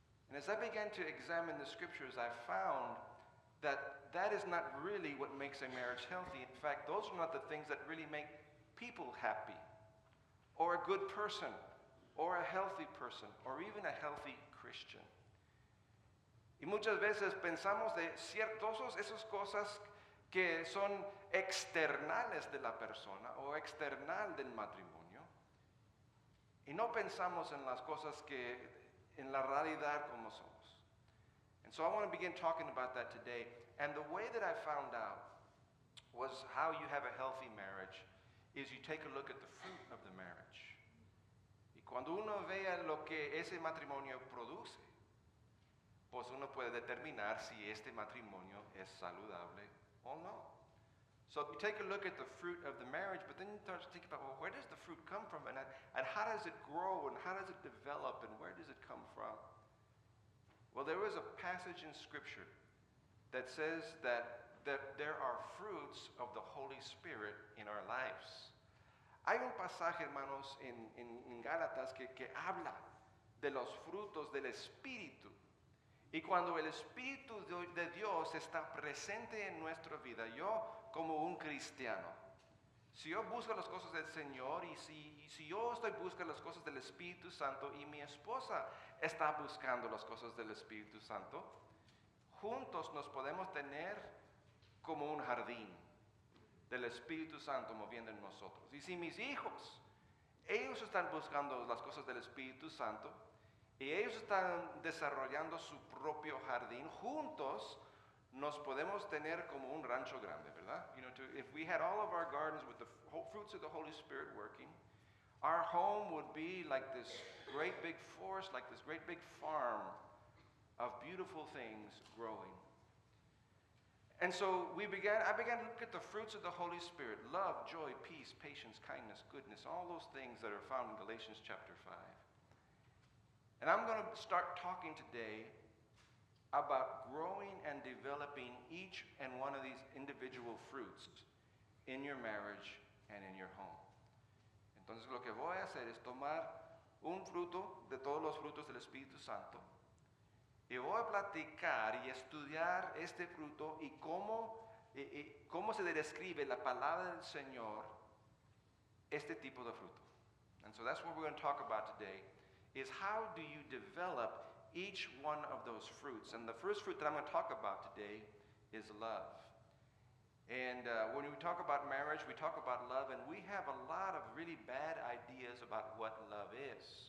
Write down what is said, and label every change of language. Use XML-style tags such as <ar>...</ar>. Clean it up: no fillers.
<en>And as I began to examine the scriptures, I found that is not really what makes a marriage healthy. In fact, those are not the things that really make people happy, or a good person, or a healthy person, or even a healthy Christian.</en> <es>Y muchas veces pensamos de ciertos esas cosas que son externales de la persona o external del matrimonio, y no pensamos en las cosas que en la realidad como somos.</es> <en>And so I want to begin talking about that today. And the way that I found out was how you have a healthy marriage is you take a look at the fruit of the marriage.</en> <es>Y cuando uno vea lo que ese matrimonio produce, pues uno puede determinar si este matrimonio es saludable o no.</es> <en>So you take a look at the fruit of the marriage, but then you start to think about, well, where does the fruit come from? And how does it grow? And how does it develop? And where does it come from? Well, there is a passage in Scripture that says that there are fruits of the Holy Spirit in our lives.</en> <es>Hay un pasaje, hermanos, en Gálatas que habla de los frutos del Espíritu. Y cuando el Espíritu de Dios está presente en nuestra vida, yo como un cristiano, si yo busco las cosas del Señor y si yo estoy buscando las cosas del Espíritu Santo y mi esposa está buscando las cosas del Espíritu Santo, juntos nos podemos tener como un jardín del Espíritu Santo moviendo en nosotros. Y si mis hijos, ellos están buscando las cosas del Espíritu Santo y ellos están desarrollando su propio jardín, juntos nos podemos tener como un rancho grande, ¿verdad?</es> <en>You know, if we had all of our gardens with the fruits of the Holy Spirit working, our home would be like this great big forest, like this great big farm of beautiful things growing. And so I began to look at the fruits of the Holy Spirit, love, joy, peace, patience, kindness, goodness, all those things that are found in Galatians chapter 5. And I'm going to start talking today about growing and developing each and one of these individual fruits in your marriage and in your home.</en> <es>Entonces, lo que voy a hacer es tomar un fruto de todos los frutos del Espíritu Santo y voy a platicar y estudiar este fruto y cómo se describe la palabra del Señor este tipo de fruto.</es> <en>And so that's what we're going to talk about today, is how do you develop each one of those fruits. And the first fruit that I'm going to talk about today is love. And when we talk about marriage, we talk about love, and we have a lot of really bad ideas about what love is.</en>